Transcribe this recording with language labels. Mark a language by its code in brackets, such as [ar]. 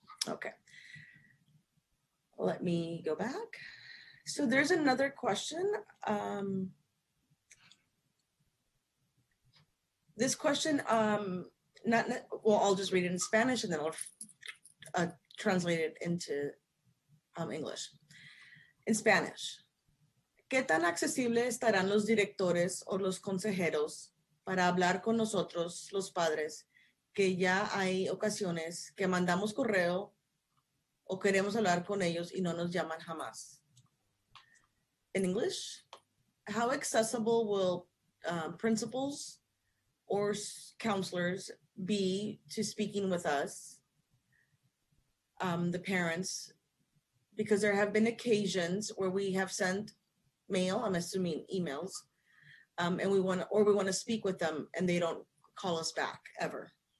[en] Okay. Let me go back. So there's another question. This question, I'll just read it in Spanish and then I'll translate it into English. In Spanish, [es] ¿qué tan accesible estarán los directores o los consejeros para hablar con nosotros, los padres, que ya hay ocasiones que mandamos correo o queremos hablar con ellos y no nos llaman jamás? [en] In English, how accessible will principals or counselors be to speaking with us, the parents, because there have been occasions where we have sent mail, I'm assuming emails, and we want to speak with them and they don't call us back ever.